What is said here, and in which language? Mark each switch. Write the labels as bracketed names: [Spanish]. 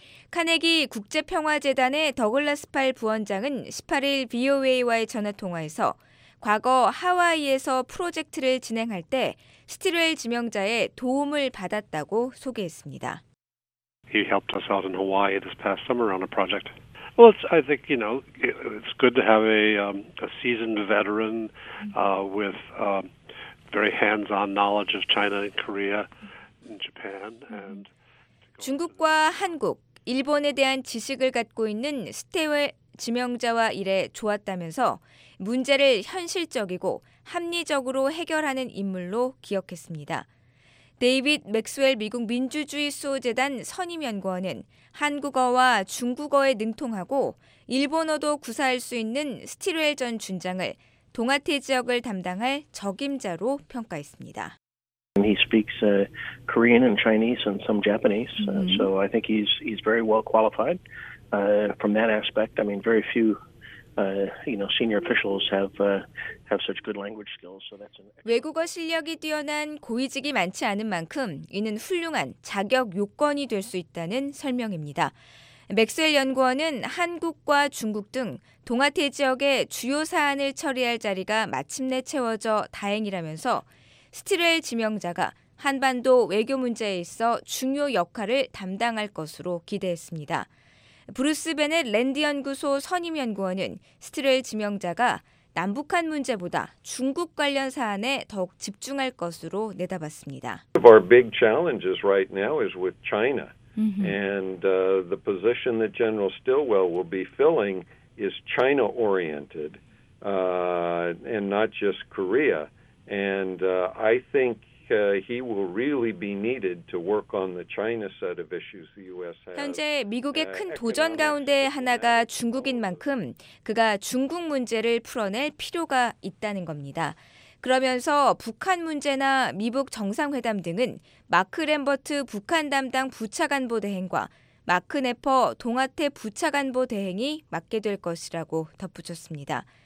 [Korean] 카네기 국제평화재단의 더글라스 팔 부원장은 18일 VOA와의 전화통화에서 과거 하와이에서 프로젝트를 진행할 때 스틸웰 지명자의 도움을 받았다고 소개했습니다. [English] He helped us out in Hawaii this past summer on a project. Well, I think, you know, it's good to have a seasoned veteran with very hands-on knowledge of China and Korea and Japan. And [Korean] 중국과 한국, 일본에 대한 지식을 갖고 있는 스틸웰 지명자와 일해 좋았다면서 문제를 현실적이고 합리적으로 해결하는 인물로 기억했습니다. 데이빗 맥스웰 미국 민주주의 수호재단 선임연구원은 한국어와 중국어에 능통하고 일본어도 구사할 수 있는 스틸웰 전 준장을 동아태 지역을 담당할 적임자로 평가했습니다. [English] He speaks Korean and Chinese and some Japanese, so I think he's very well qualified from that aspect. I mean, very few, you know, senior officials have such good language skills. So that's an [Korean] 외국어 실력이 뛰어난 고위직이 많지 않은 만큼 이는 훌륭한 자격 요건이 될 수 있다는 설명입니다. 맥스웰 연구원은 한국과 중국 등 동아태 지역의 주요 사안을 처리할 자리가 마침내 채워져 다행이라면서. 스틸웰 지명자가 한반도 외교 문제에 있어 중요 역할을 담당할 것으로 기대했습니다. 브루스 베넷 랜드 연구소 선임 연구원은 스틸웰 지명자가 남북한 문제보다 중국 관련 사안에 더욱 집중할 것으로 내다봤습니다. [English] Our big challenges right now is with China. And the position that General Stilwell will be filling is China oriented and not just Korea. And I think he will really be needed to work on the China set of issues the US has. [Korean] 현재 미국의 큰 도전 가운데 하나가 중국인 만큼 그가 중국 문제를 풀어낼 필요가 있다는 겁니다. 그러면서 북한 문제나 미북 정상회담 등은 마크 램버트 북한 담당 부차관보 대행과 마크 네퍼 동아태 부차관보 대행이 맡게 될 것이라고 덧붙였습니다.